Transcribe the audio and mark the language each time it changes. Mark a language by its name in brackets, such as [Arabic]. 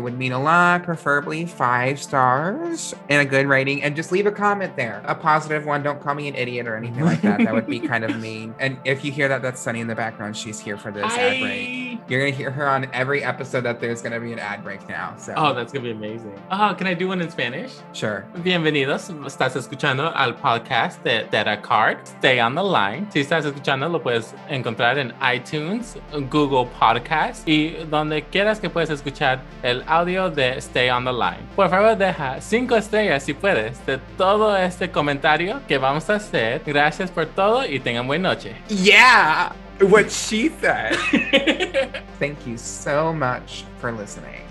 [English] It would mean a lot, preferably 5 stars and a good rating. And just leave a comment there, a positive one. Don't call me an idiot or anything like that. That would be kind of mean. And if you hear that, that's Sunny in the background. She's here for this ad break. You're going to hear her on every episode that there's going to be an ad break now. So. Oh, that's going to be amazing. Oh, can I do one in Spanish? Sure. [Spanish] Bienvenido. Estás escuchando al podcast de Tara Card. Stay on the line. Si estás escuchando, lo puedes encontrar en iTunes, Google Podcast y donde quieras que puedes escuchar el audio de Stay on the Line. Por favor, deja 5 estrellas si puedes de todo este comentario que vamos a hacer. Gracias por todo y tengan buena noche. [English] Yeah, what she said. Thank you so much for listening.